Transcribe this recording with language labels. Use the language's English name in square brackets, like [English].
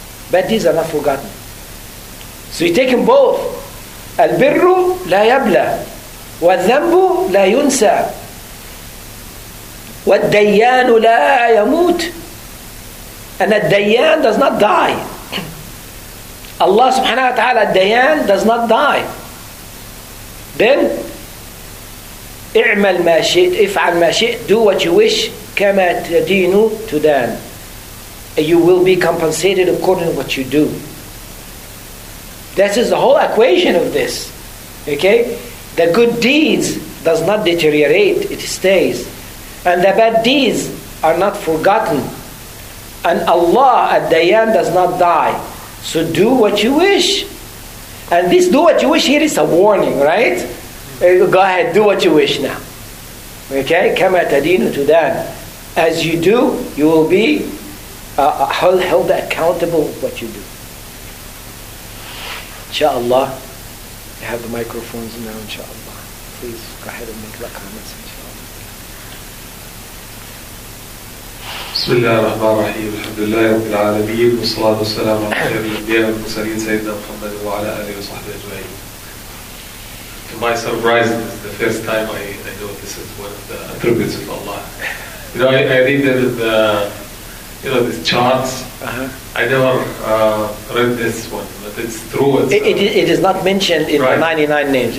[English] Bad deeds are not forgotten. So you take them both. [Arabic] Al birru la yabla. وَالذَّنْبُ لَا يُنْسَى. وَالدَّيَّانُ لَا يَمُوتُ. [English] And that Dayan does not die. Allah subhanahu wa ta'ala, Dayan does not die. [Arabic] Then, اعمل ما شئت, افعل ما شئت, [English] do what you wish, [Arabic] كما تدين تدان. [English] You will be compensated according to what you do. This is the whole equation of this. Okay? The good deeds does not deteriorate, it stays. And the bad deeds are not forgotten. And Allah at the end does not die. So do what you wish. And this do what you wish here is a warning, right? Go ahead, do what you wish now. [Arabic] Okay? كَمَا تَدِينُ تُدَانُ. [English] As you do, you will be held accountable for what you do. InshaAllah. I have the microphones now, inshaAllah. Please go ahead and make the comments. [Arabic] بسم الله الرحمن الرحيم الحمد لله رب العالمين والصلاة والسلام على خير الأنبياء والمرسلين سيدنا محمد وعلى آله وصحبه أجمعين. [English] To my surprise, this is the first time I know this is one of the attributes of Allah. You know, I read that the charts. Uh-huh. I never read this one, but it's true. It is not mentioned in right. The 99 names.